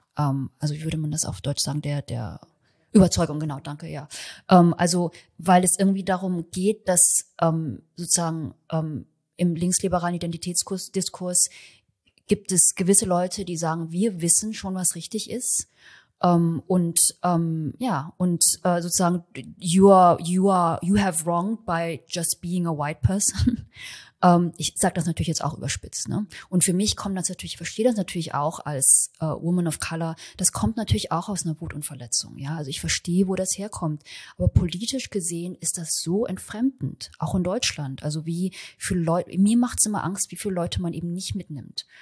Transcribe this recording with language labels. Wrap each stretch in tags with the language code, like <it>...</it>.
<de>Also wie würde man das auf Deutsch sagen, der Überzeugung, genau, danke, ja. Also weil es irgendwie darum geht, dass sozusagen im linksliberalen Identitätsdiskurs gibt es gewisse Leute, die sagen, wir wissen schon, was richtig ist. Sozusagen,</de> <en>you have wronged by just being a white person.</en> <de>ich sage das natürlich jetzt auch überspitzt, ne? Und für mich kommt das natürlich, ich verstehe das natürlich auch als Woman of Color, das kommt natürlich auch aus einer Wut und Verletzung, ja? Also ich verstehe, wo das herkommt. Aber politisch gesehen ist das so entfremdend, auch in Deutschland. Also wie viele Leute, mir macht es immer Angst, wie viele Leute man eben nicht mitnimmt.</de>